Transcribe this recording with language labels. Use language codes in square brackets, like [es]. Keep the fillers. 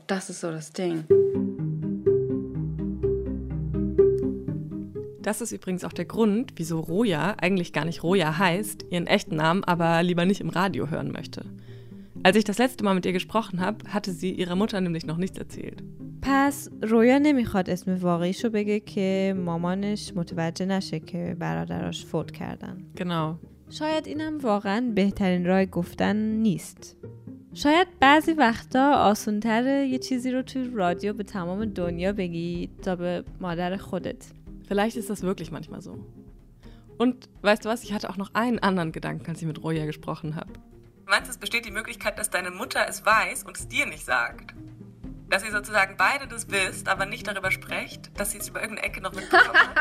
[de] Das ist so das Ding. Das ist übrigens auch der Grund, wieso Roja eigentlich gar nicht Roja heißt, ihren echten Namen aber lieber nicht im Radio hören möchte. Als ich das letzte Mal mit ihr gesprochen habe, hatte sie ihrer Mutter nämlich noch nichts erzählt. [fa] پس رویا نمیخواد اسم واقعیشو بگه که مامانش متوجه نشه که برادراش فوت کردن [de] Genau. [fa] شاید اینم واقعا بهترین راه گفتن نیست شاید بعضی وقتا آسونتره یه چیزی رو توی رادیو به تمام دنیا بگی تا به مادر خودت [de] Vielleicht ist das wirklich manchmal so. Und weißt du was, ich hatte auch noch einen anderen Gedanken, als ich mit Roja gesprochen habe. Meinst du, es besteht die Möglichkeit, dass deine Mutter es weiß und es dir nicht sagt? Dass ihr sozusagen beide das wisst, aber nicht darüber sprecht, dass sie es über irgendeine Ecke noch mitbekommt?